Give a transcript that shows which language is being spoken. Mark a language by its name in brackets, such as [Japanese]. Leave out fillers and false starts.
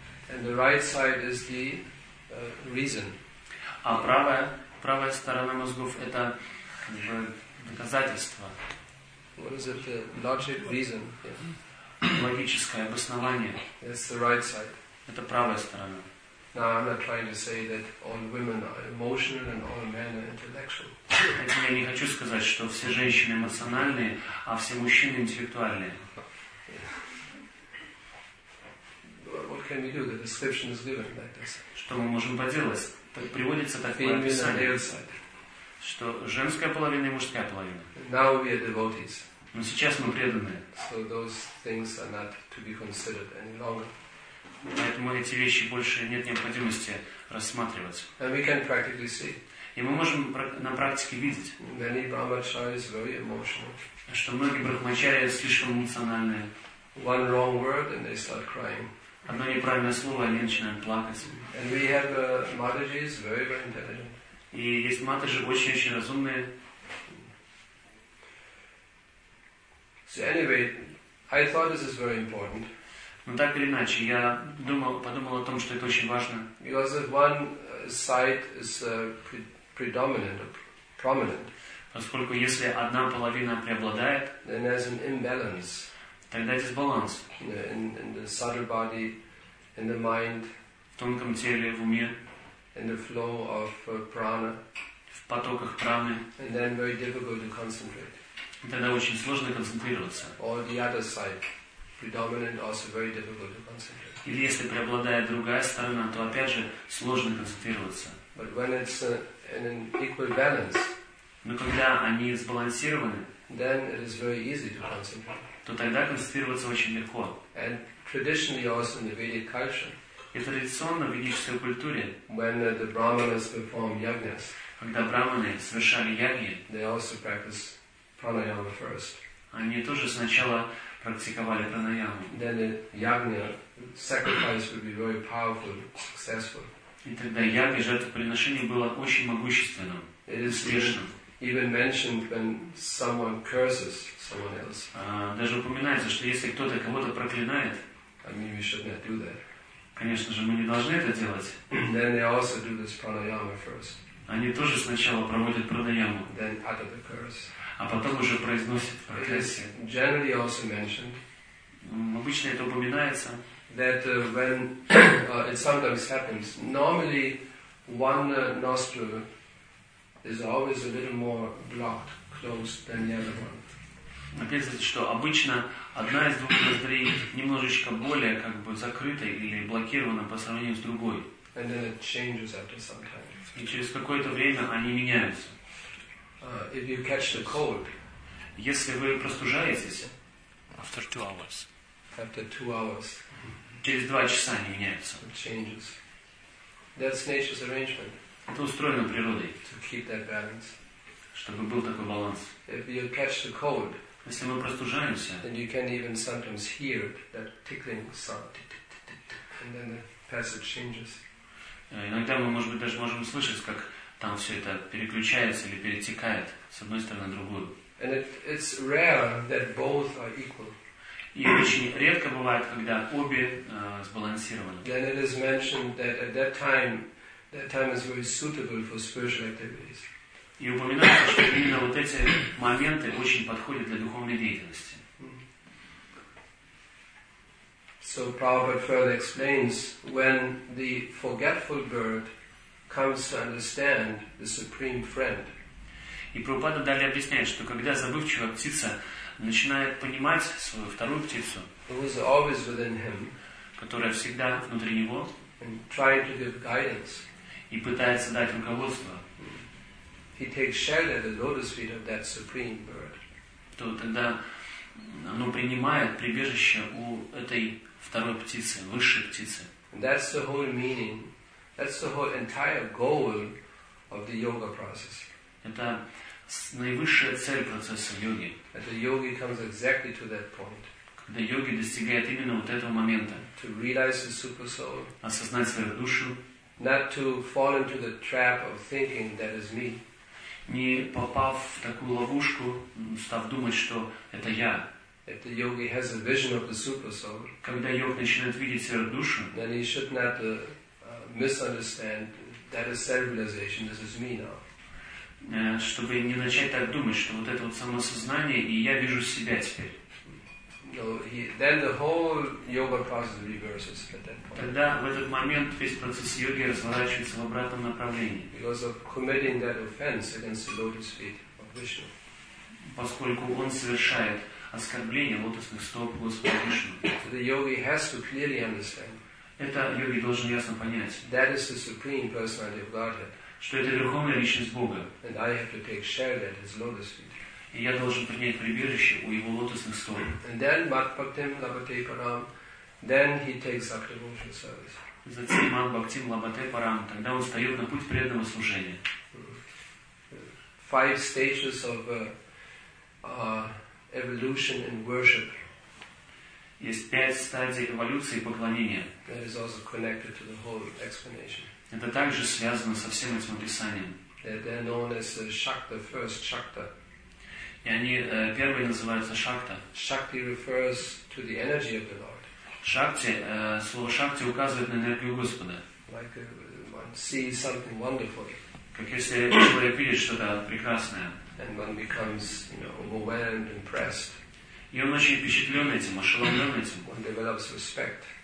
[English] And the right side is the reason. [Russian] А правая сторона мозгов это как бы доказательство. [English] What is it? The logic, reason. [Russian] Логическое обоснование. [English] It's the right side. [Russian] Это правая сторона. [English] Now I'm not trying to say that all women are emotional and all men are intellectual. [Russian] Я не хочу сказать, что все женщины эмоциональные, а все мужчины интеллектуальные. [English] What can we do? The description is given like this. [Russian] Что мы можем поделать? Так приводится такое описание, что женская половина и мужская половина. [English] Now we are devotees. [Russian] Но сейчас мы преданные. [English] So those things are not to be considered any longer. [Russian] Поэтому эти вещи больше нет необходимости рассматривать. [English] And we can practically see. [Russian] И мы можем на практике видеть, [English] many brahmacharis very emotional. [Russian] Что многие брахмачарьи слишком эмоциональные. [English] One wrong word and they start crying. [Russian] Одно неправильное слово, они начинают плакать. [English] And we have Матаджис very, very intelligent. [Russian] И есть матаджи очень-очень разумные. [English] So anyway, I thought this is very important. [Russian] Но так или иначе, я подумал о том, что это очень важно. [English] Because if one side is predominant or prominent, [Russian] поскольку если одна половина преобладает, [English] then there's an imbalance. [Russian] Тогда дисбаланс. [English] In the subtle body, in the mind, [Russian] в тонком теле, в уме, [English] in the flow of prana, [Russian] в потоках праны, [English] and then very difficult to concentrate. [Russian] Тогда очень сложно концентрироваться. [English] Or the other side, predominant, also very difficult to concentrate. [Russian] Или если преобладает другая сторона, то опять же сложно концентрироваться. [English] But when it's in an equal balance, [Russian] но когда они сбалансированы, [English] then it is very easy to concentrate. [Russian] То тогда концентрироваться очень легко. [English] And traditionally also in the Vedic culture. [Russian] И традиционно в ведической культуре. [English] When the brahmanas perform yajnas. [Russian] Когда брахманы совершали яги. [English] They also practice pranayama first. [Russian] Они тоже сначала практиковали пранаяму. [English] Then the yajna sacrifice would be very powerful, successful. [Russian] И тогда яги жертвоприношение было очень могущественным, успешным. [English] Even mentioned when someone curses someone else. [Russian] Даже упоминается, что если кто-то кого-то проклинает, [English] I mean, we should not do that. [Russian] Конечно же, мы не должны это делать. [English] Then they also do this pranayama first. [Russian] Они тоже сначала проводят пранаяму. [English] Then utter the curse. [Russian] А потом уже произносят проклятие. [English] It is generally also mentioned. [Russian] Обычно это упоминается. [English] That when it sometimes happens. Normally, one nostril is always a little more blocked, closed than the other one. [Russian] Написано, что обычно одна из двух ноздрей немножечко более как бы закрыта или блокирована по сравнению с другой. [English] And then it changes after some time. [Russian] И через какое-то время они меняются. [English] If you catch the cold, [Russian] если вы простужаетесь, [English] after 2 hours. After 2 hours. [Russian] Через 2 часа они меняются. [English] It changes. That's nature's arrangement. [Russian] Это устроено природой, [English] to keep that balance. [Russian] Чтобы был такой баланс. [English] If you catch the cold, [Russian] если мы простужаемся, [English] then you can even sometimes hear that tickling sound, and then the passage changes. [Russian] Иногда мы, может быть, даже можем слышать, как там все это переключается или перетекает с одной стороны на другую. [English] And it's rare that both are equal. [Russian] И очень редко бывает, когда обе сбалансированы. [English] Then it is mentioned that at that time. That time is very suitable for spiritual activities. [Russian] И упоминается, что именно вот эти моменты очень подходят для духовной деятельности. [English] So Prabhupada further explains, when the forgetful bird comes to understand the supreme friend. [Russian] И Прабхупада далее объясняет, что когда забывчивая птица начинает понимать свою вторую птицу, [English] who is always within him, [Russian] которая всегда внутри него, [English] and trying to give guidance. [Russian] И пытается дать руководство. [English] he takes shelter at the lotus feet of that supreme bird. [Russian] То тогда оно принимает прибежище у этой второй птицы, высшей птицы. [English] That's the whole meaning. That's the whole entire goal of the yoga process. [Russian] Это наивысшая цель процесса йоги. [English] That the yogi comes exactly to that point. [Russian] Когда йоги достигает именно вот этого момента. [English] To realize the super soul. [Russian] Осознать свою душу. [English] Not to fall into the trap of thinking that is me. [Russian] Не попав в такую ловушку, став думать, что это я. [English] If the yogi has a vision of the super soul, [Russian] когда йог начинает видеть свою душу, [English] then he should not misunderstand that is self-realization, this is me now. [Russian] Чтобы не начать так думать, что вот это вот самосознание, и я вижу себя теперь. [English] So he, then the whole yoga process reverses at that point. [Russian] Тогда в этот момент весь процесс йоги разворачивается в обратном направлении. [English] Because of committing that offense against the lotus feet of Vishnu. [Russian] Поскольку он совершает оскорбление лотосных стоп Господа Вишну. [English] So the yogi has to clearly understand. [Russian] Это йоги должен ясно понять. [English] That is the supreme personality of Godhead. [Russian] Что это верховная личность Бога. [English] And I have to take shelter at his lotus feet. [Russian] И я должен принять прибежище у его лотосных стоп. [English] And then [Sanskrit] Madhvaktim Labhate Param, [English] then he takes up devotional service. [Russian] Затем [Sanskrit] Madhvaktim Labhate Param, [Russian] тогда он встает на путь преданного служения. [English] Five stages of evolution in worship. [Russian] Есть пять стадий эволюции поклонения. [English] That is also connected to the whole explanation. [Russian] Это также связано со всем этим описанием. [English] They're known as the Shakta, first Shakta. [Russian] И они первые называются шакта. [English] Shakti refers to the energy of the Lord. [Russian] Шакти, слово шакти указывает на энергию Господа. [English] Like when see something wonderful. [Russian] Как если человек видит что-то прекрасное. [English] And one becomes, you know, overwhelmed, impressed. [Russian] И он очень впечатлен этим, ошеломлен этим. [English] One develops respect.